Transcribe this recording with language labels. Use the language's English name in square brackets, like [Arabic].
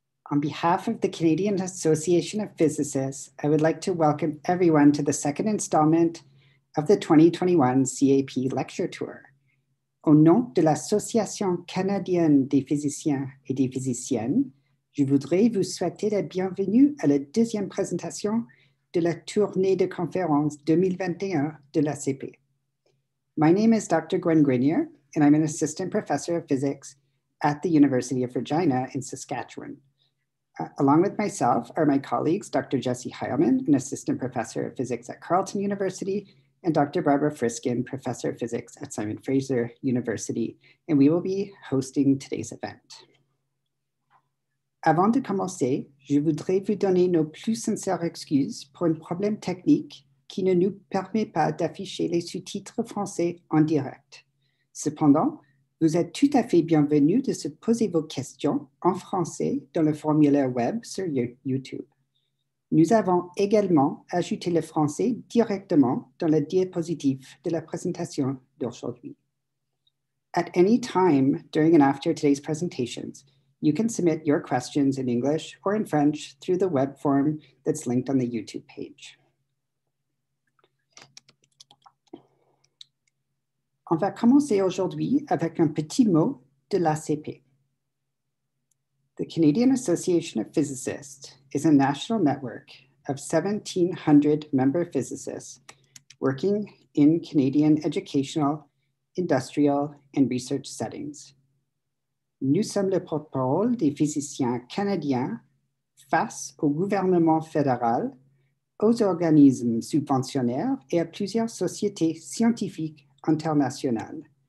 [English] On behalf of the Canadian Association of Physicists, I would like to welcome everyone to the second installment of the 2021 CAP lecture tour. [French] Au nom de l'Association canadienne des physiciens et des physiciennes, je voudrais vous souhaiter la bienvenue à la deuxième présentation de la tournée de conférences 2021 de l'ACP. [English] My name is Dr. Gwen Grenier, and I'm an assistant professor of physics at the University of Regina in Saskatchewan. Along with myself are my colleagues, Dr. Jesse Heilman, an assistant professor of physics at Carleton University, and Dr. Barbara Friskin, professor of physics at Simon Fraser University, and we will be hosting today's event. [French] Avant de commencer, je voudrais vous donner nos plus sincères excuses pour un problème technique qui ne nous permet pas d'afficher les sous-titres français en direct. Cependant, vous êtes tout à fait bienvenue de se poser vos questions en français dans le formulaire web sur YouTube. Nous avons également ajouté le français directement dans la diapositive de la présentation d'aujourd'hui. [English] At any time during and after today's presentations, you can submit your questions in English or in French through the web form that's linked on the YouTube page. [French] On va commencer aujourd'hui avec un petit mot de l'ACP. [English] The Canadian Association of Physicists is a national network of 1,700 member physicists working in Canadian educational, industrial, and research settings. [French] Nous sommes le porte-parole des physiciens canadiens face au gouvernement fédéral, aux organismes subventionnaires et à plusieurs sociétés scientifiques international.